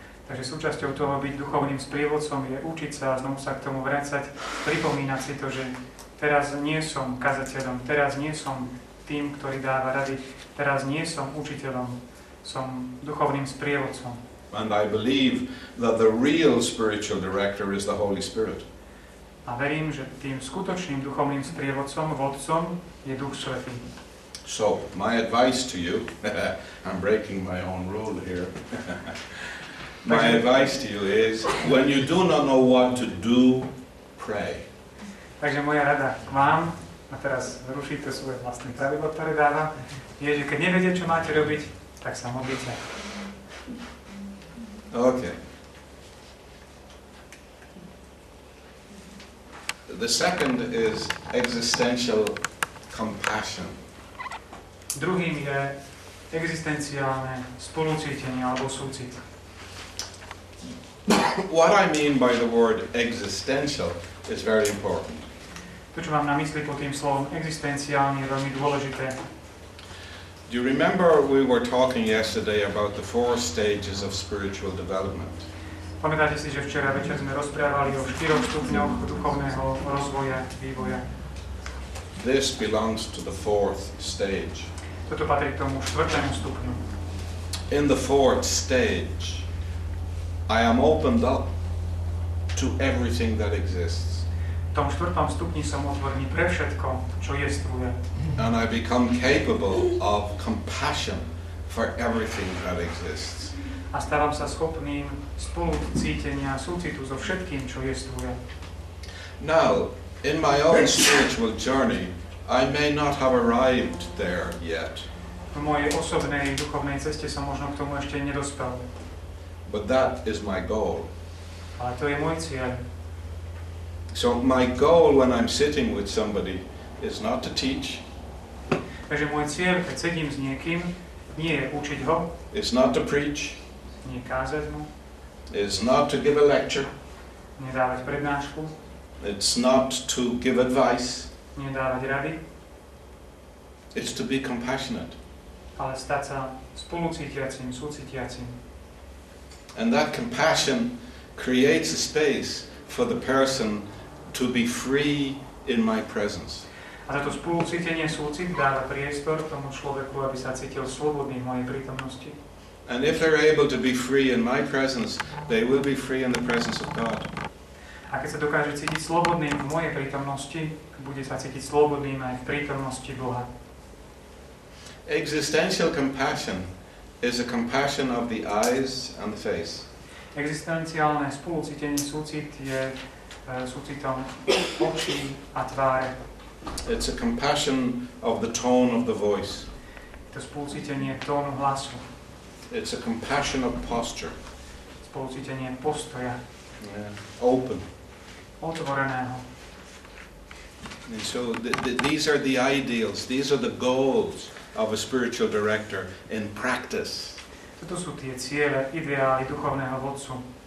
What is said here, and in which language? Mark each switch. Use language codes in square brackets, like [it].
[sk] Takže súčasťou toho byť duchovným sprievodcom je učiť sa a znovu sa k tomu vracať, pripomínať si to, že teraz nie som kazateľom, teraz nie som tým, ktorý dáva rady, teraz nie som učiteľom, som duchovným sprievodcom. [en] And I believe that the real spiritual director is the Holy Spirit. [sk] A verím, že tým skutočným duchovným sprievodcom, vodcom, je Duch Svätý. [en] So, my advice to you, I'm breaking my own rule here. My advice to you is, when you do not know what to do, pray. [sk] Takže moja rada k vám, a teraz rušíte svoje vlastné pravidlo, ktoré dáva, je, že keď neviete, čo máte robiť, tak sa modlite. [en] OK. The second is existential compassion. [sk] Druhým je existenciálne spolucítenie alebo súcit. [en] What I mean by the word existential is very important. [sk] To, čo mám na mysli pod tým slovom existenciálne, je veľmi dôležité. [en] Do you remember we were talking yesterday about the four stages of spiritual development? [sk] Pamätáte si, že včera večer sme rozprávali o štyroch stupňoch duchovného rozvoja, vývoja. [en] This belongs to the fourth stage. [sk] Toto patrí k tomu štvrtému stupňu. [en] In the fourth stage, I am opened up to everything that exists. [sk] V tom štvrtom stupni som otvorený pre všetko, čo existuje. [en] And I become capable of compassion for everything that exists. [sk] A stávam sa schopným spolucítenia, súcitu so všetkým, čo existuje. [en] Now, in my own spiritual journey, I may not have arrived there yet. [sk] V mojej osobnej duchovnej ceste som možno k tomu ešte nedospel. [en] But that is my goal. [sk] Ale to je môj cieľ. [en] So my goal when I'm sitting with somebody is not to teach. [sk] Takže môj cieľ, keď sedím s niekým, nie je učiť ho. [en] It's not to preach. [sk] Nie kázať mu. [en] It's not to give a lecture. [sk] Nie dávať prednášku. [en] It's not to give advice. [sk] Nie dávať rady. [en] It's to be compassionate. [sk] Ale stať sa spolucítiacím, súcitiacím. [en] And that compassion creates a space for the person to be free in my presence. [sk] A toto spolucítenie, súcit dáva priestor tomu človeku, aby sa cítil slobodný v mojej prítomnosti. [en] And if they're able to be free in my presence, they will be free in the presence of God. [sk] A keď sa dokáže cítiť slobodným v mojej prítomnosti, bude sa cítiť slobodným aj v prítomnosti Boha. [en] Existential compassion is a compassion of the eyes and the face. [sk] Existenciálne spolucítenie, súcit je súcitom očí a tváre. [en] It's a compassion of the tone of the voice. [sk] To spolucítenie tónu hlasu. [en] It's a compassion of posture. [sk] spolucítenie postoja. [en] Yeah. Open. [sk] Otvoreného. [en] And so these are the ideals, these are the goals of a spiritual director in practice. [sk] Toto sú tie ciele, ideály duchovného vodcu.